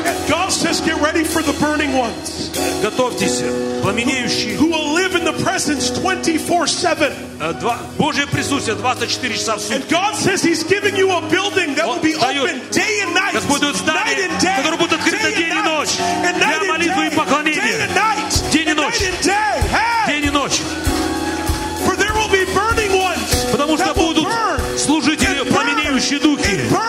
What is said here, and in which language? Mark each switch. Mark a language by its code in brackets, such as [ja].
[en] God says, get ready for the burning ones. [ru] Готовьтесь, пламенеющие. [en] Who will live in the presence 24/7? [ru] Божье присутствие 24 часа в сутки. [en] And God says He's giving you a building that will be open day and night. [ru] Господь дает здание, которое будет открыто день и ночь для молитвы и поклонения. День и ночь. День и ночь. [en] For there will be burning ones. [ru] Потому что будут служители, пламенеющие духи.